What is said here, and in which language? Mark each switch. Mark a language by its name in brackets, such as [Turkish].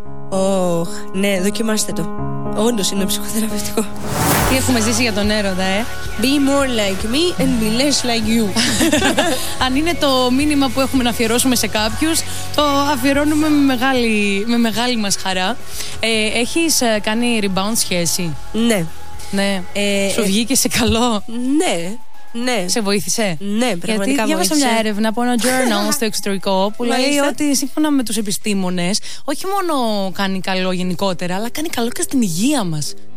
[Greek] Oh, ναι, δοκιμάστε το. Όντως είναι ψυχοθεραπευτικό. Τι έχουμε ζήσει για τον έρωτα, ε? [English] Be more like me and be less like you. [Greek] Αν είναι το μήνυμα που έχουμε να αφιερώσουμε σε κάποιους, το αφιερώνουμε με μεγάλη μας χαρά. Έχεις κάνει rebound σχέση? Ναι. Ναι. Σου βγήκε σε καλό. Ναι, ναι. Σε βοήθησε. Ναι, πραγματικά. Γιατί διάβασα μια έρευνα από ένα journal στο εξωτερικό που λέει ότι σύμφωνα με τους επιστήμονες, όχι μόνο κάνει καλό γενικότερα, αλλά κάνει καλό και στην υγεία μας.